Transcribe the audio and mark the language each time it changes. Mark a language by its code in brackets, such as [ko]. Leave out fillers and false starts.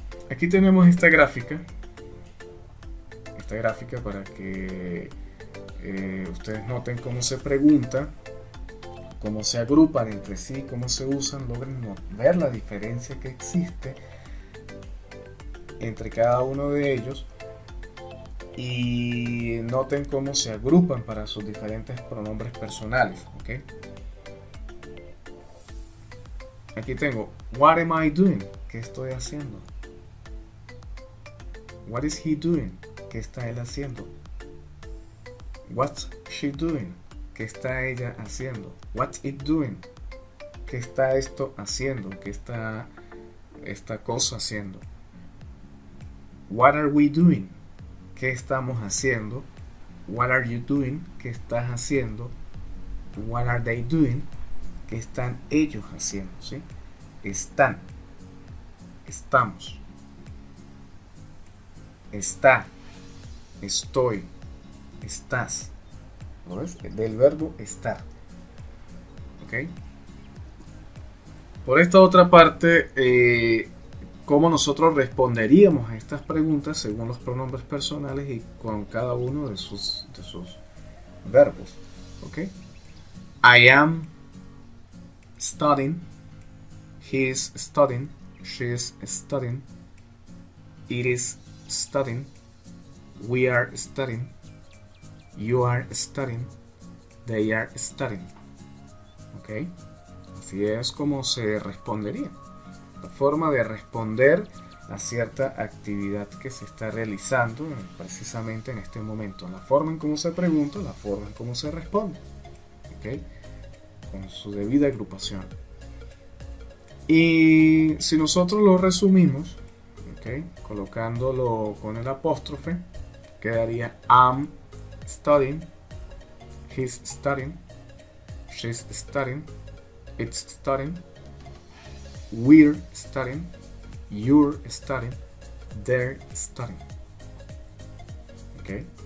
[es] Aquí tenemos esta gráfica para que ustedes noten cómo se pregunta, cómo se agrupan entre sí, cómo se usan, logren ver la diferencia que existe entre cada uno de ellos y noten cómo se agrupan para sus diferentes pronombres personales. ¿Okay? Aquí tengo, [en] what am I doing? [es] ¿Qué estoy haciendo? [en] What is he doing? [es] ¿Qué está él haciendo? [en] What's she doing? [es] ¿Qué está ella haciendo? [en] What's it doing? [es] ¿Qué está esto haciendo? ¿Qué está esta cosa haciendo? [en] What are we doing? [es] ¿Qué estamos haciendo? [en] What are you doing? [es] ¿Qué estás haciendo? [en] What are they doing? [es] ¿Qué están ellos haciendo? ¿Sí? Están. Estamos. Está. Estoy. Estás. ¿Lo ves? Del verbo estar. ¿Ok? Por esta otra parte, cómo nosotros responderíamos a estas preguntas según los pronombres personales y con cada uno de sus verbos. [en] ¿Okay? I am studying, he is studying, she is studying, it is studying, we are studying, you are studying, they are studying. [es] ¿Okay? Así es como se respondería. La forma de responder a cierta actividad que se está realizando precisamente en este momento. La forma en cómo se pregunta, la forma en cómo se responde. ¿Okay? Con su debida agrupación. Y si nosotros lo resumimos, ¿okay? Colocándolo con el apóstrofe, quedaría [en] I'm studying, he's studying, she's studying, it's studying, we're studying, you're studying, they're studying. ¿Okay?